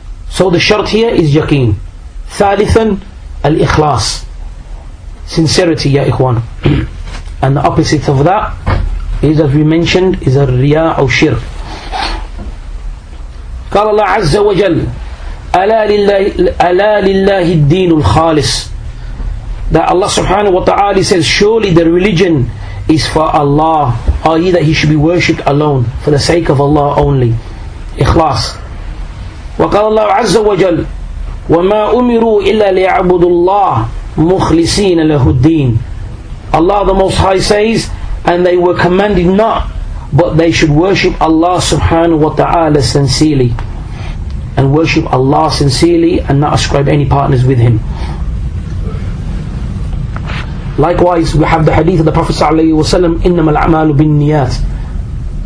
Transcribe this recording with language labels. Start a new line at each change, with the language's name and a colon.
English: So the shart here is yaqeen.
Arabic: Thalithan, al-ikhlas,
English: sincerity, ya ikhwan. And the opposite of that is, as we mentioned, is al-riya or shirk.
Arabic: قال الله عز وجل ألا لله الدين الخالص.
English: That Allah subhanahu wa ta'ala says, surely the religion is for Allah, i.e. that he should be worshipped alone, for the sake of Allah only. Ikhlas.
Arabic: وقال الله عز وجل وما أمروا إلا ليعبدوا الله مخلصين له الدين.
English: Allah the Most High says, and they were commanded not, but they should worship Allah subhanahu wa ta'ala sincerely. And worship Allah sincerely and not ascribe any partners with Him. Likewise, we have the hadith of the Prophet sallallahu alayhi wa sallam,
Arabic: إِنَّمَا الْعَمَالُ بِالنِّيَاتِ.